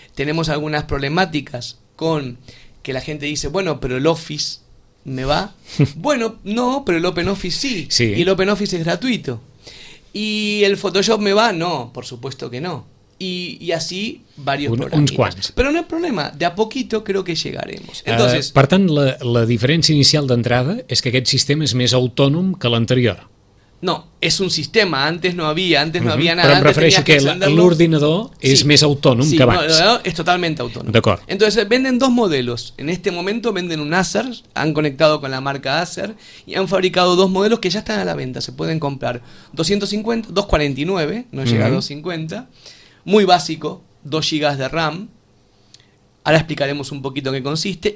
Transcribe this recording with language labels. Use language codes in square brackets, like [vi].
[es] Tenemos algunas problemáticas con que la gente dice, bueno, pero el Office... ¿Me va? Bueno, no, pero el OpenOffice sí. Sí. Y el OpenOffice es gratuito. ¿Y el Photoshop me va? No, por supuesto que no. Y así varios programas. [ca] Uns quants. [es] Pero no hay problema, de a poquito creo que llegaremos. Entonces, [ca] per tant, la diferència inicial d'entrada és que aquest sistema és més autònom que l'anterior. No, és un sistema, antes no havia, antes no havia nada. Però em refereixo que l'ordinador és més autònom que abans. Sí, no, és totalment autònom. D'acord. [es] Entonces, venden dos modelos. En este momento venden un Acer, han conectado con la marca Acer y han fabricado dos modelos que ya están a la venta. Se pueden comprar 250, 249, no llega a 250. Muy básico, 2 GB de RAM. Ahora explicaremos un poquito en qué consiste.